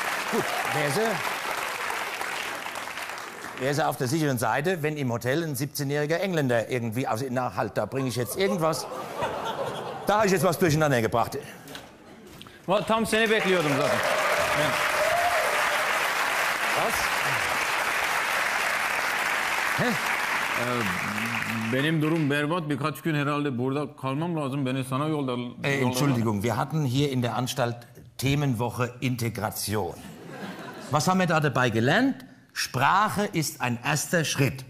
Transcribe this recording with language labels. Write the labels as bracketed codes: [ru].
[de] Gut, wäre sie auf der sicheren Seite, wenn im Hotel ein 17-jähriger Engländer irgendwie... Also, na, halt, da bringe ich jetzt irgendwas. Da habe ich jetzt was durcheinander gebracht. [tr] Tam seni bekliyordum zaten. [de] Was? [tr] Benim durum berbat. Birkaç gün herhalde burada kalmam lazım. Beni sana yollarlar. [de] Entschuldigung, wir hatten hier in der Anstalt Themenwoche Integration. Was haben wir da dabei gelernt? Sprache ist ein erster Schritt.